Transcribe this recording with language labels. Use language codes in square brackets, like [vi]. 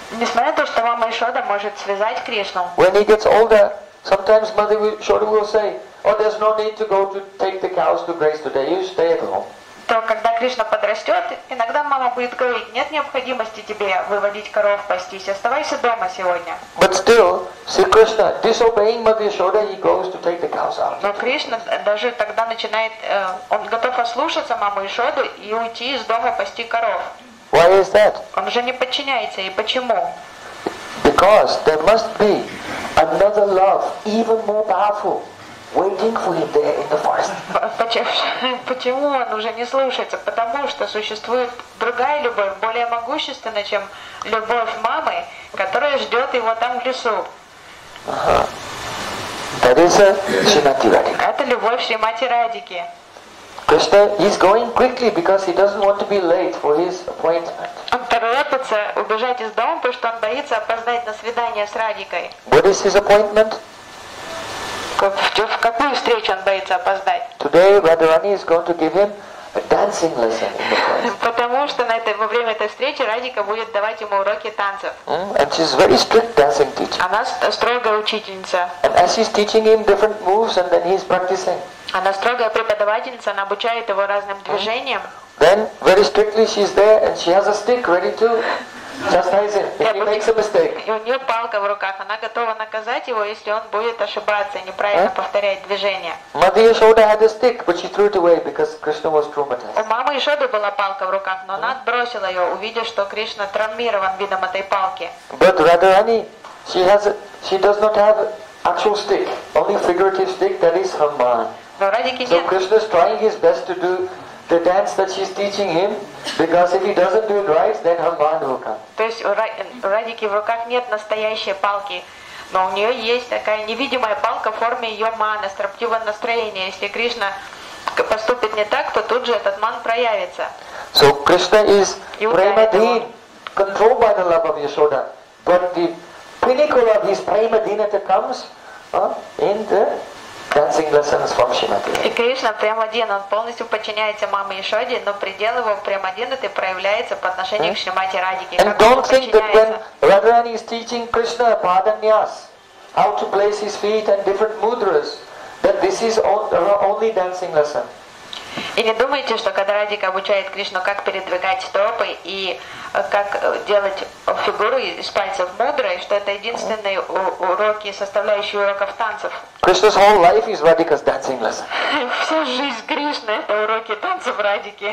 [ru] Несмотря на то, что мама Ишода может связать Кришну. [en] When he gets older, sometimes Mother Yashoda will say, "Oh, there's no need to go to take the cows to graze today. You stay at home." [ru] То когда Кришна подрастет, иногда мама будет говорить, нет необходимости тебе выводить коров пастись, оставайся дома сегодня. [en] But still, Sri Krishna, disobeying Mother Yashoda, he goes to take the cows out. [ru] Но Кришна даже тогда начинает, он готов ослушаться маму Ишоду и уйти из дома пасти коров. [en] Why is that? [ru] Он же не подчиняется, и почему? [en] Because there must be another love, even more powerful. Waiting for him there in the forest. [ru] Почему он уже не слушается? Потому что существует другая любовь, более могущественная, чем любовь мамы, которая ждет его там в лесу. [en] That is Shrimati Radhika. [ru] Это любовь Шримати Радики. [en] Krishna is going quickly because he doesn't want to be late for his appointment. [ru] Он торопится убежать из дома, потому что он боится опоздать на свидание с Радикой. [en] What is his appointment? [ru] В какую встречу он боится опоздать? [en] Today Radharani is going to give him a dancing lesson. [ru] Потому что на это во время этой встречи Радика будет давать ему уроки танцев. [en] And she's very strict dancing teacher. [ru] Она строгая учительница. [en] And as she's teaching him different moves, and then he's practicing. [ru] Она строгая преподавательница, она обучает его разным движениям. [en] Then very strictly she's there, and she has a stick ready to. Chastise him. He makes a mistake. [ru] У руках. Она готова наказать его, если он будет ошибаться, неправильно повторять движение. [en] Mother Yashoda had a stick, but she threw it away because Krishna was traumatized. [ru] У мамы Ишоды была палка в руках, но она отбросила ее, увидев, что Кришна травмирован видом этой палки. [en] But Radharani, she does not have actual stick, only figurative stick that is her mind. So Krishna is trying his best to do the dance that she's teaching him, because if he doesn't do it right, then her mind will come. [ru] То есть у Радики в руках нет настоящей палки, но у нее есть такая невидимая палка в форме ее маны, строптивого настроения. Если Кришна поступит не так, то тут же этот ман проявится. [en] So Krishna is premadin, controlled by the love of Yashoda, but the pinnacle of his premadinata comes in the dancing lessons from Shrimati. [ru] И Кришна прямодин, он полностью подчиняется маме Ишоде, но предел его прямодинаты проявляется по отношению к Шримати Радике. [en] And don't think that when Radharani is teaching Krishna Padanyas, how to place his feet and different mudras, that this is only dancing lesson. [ru] И не думайте, что когда Радика обучает Кришну, как передвигать стопы и как делать фигуру из пальцев мудрой, что это единственные уроки, составляющие уроков танцев. [en] Krishna's whole life is Radhika's dancing lesson. [ru] Вся жизнь Кришны — это уроки танцев Радики.